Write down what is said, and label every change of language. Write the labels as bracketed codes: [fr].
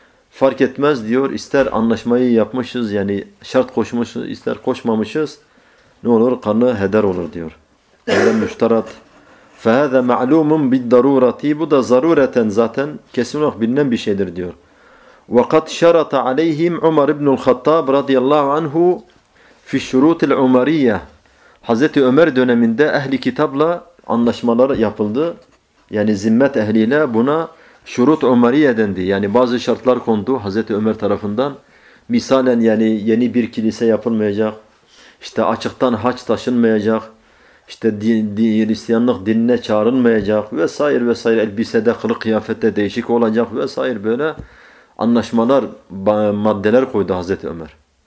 [tr] Fark etmez diyor, ister anlaşmayı yapmışız, yani şart koşmuşuz, ister koşmamışız, ne olur kanı heder olur diyor. Öyle müşterat. [ar] فَهَذَا مَعْلُومٌ بِالدَّرُورَةِ [tr] Bu da zarureten zaten kesin olarak bilinen bir şeydir diyor. [ar] وَقَدْ شَرَطَ عَلَيْهِمْ عُمَرْ اِبْنُ الْخَطَّابِ رَضِيَ اللّٰهُ عَنْهُ فِي الشُّرُوتِ الْعُمَرِيَّةِ [tr] Hazreti Ömer döneminde ehli kitapla anlaşmalar yapıldı. Yani zimmet ehliyle buna şurut umariye dendi. Yani bazı şartlar kondu Hazreti Ömer tarafından. Misalen yani yeni bir kilise yapılmayacak, işte açıktan haç taşınmayacak, İşte Hristiyanlık dinine çağrılmayacak vesaire vesaire, elbisede, kılık kıyafette değişik olacak vesaire, böyle anlaşmalar, maddeler koydu Hazreti Ömer.